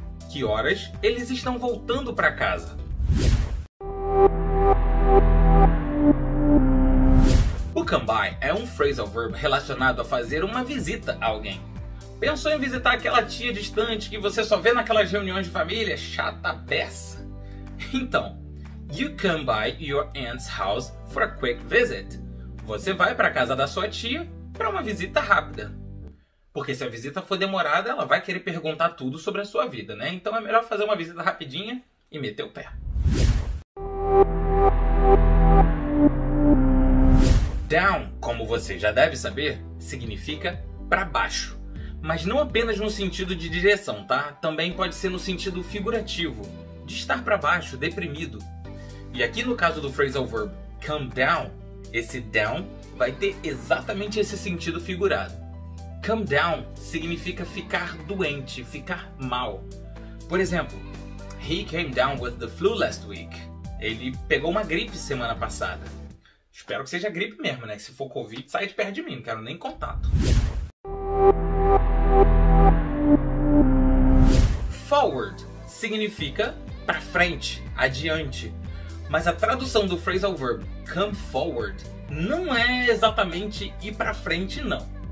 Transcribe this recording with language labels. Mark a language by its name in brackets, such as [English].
[Portuguese] Que horas eles estão voltando para casa? O come by é um phrasal verb relacionado a fazer uma visita a alguém. Pensou em visitar aquela tia distante que você só vê naquelas reuniões de família? Chata peça! [English] Então, you come by your aunt's house for a quick visit. [Portuguese] Você vai para a casa da sua tia para uma visita rápida. Porque se a visita for demorada, ela vai querer perguntar tudo sobre a sua vida, né? Então é melhor fazer uma visita rapidinha e meter o pé. Down, como você já deve saber, significa para baixo. Mas não apenas no sentido de direção, tá? Também pode ser no sentido figurativo, de estar para baixo, deprimido. E aqui no caso do phrasal verb come down, esse down vai ter exatamente esse sentido figurado. Come down significa ficar doente, ficar mal. Por exemplo, [English] he came down with the flu last week. [Portuguese] Ele pegou uma gripe semana passada. Espero que seja gripe mesmo, né? Se for Covid, sai de perto de mim, não quero nem contato. Forward significa para frente, adiante. Mas a tradução do phrasal verb come forward não é exatamente ir para frente, não.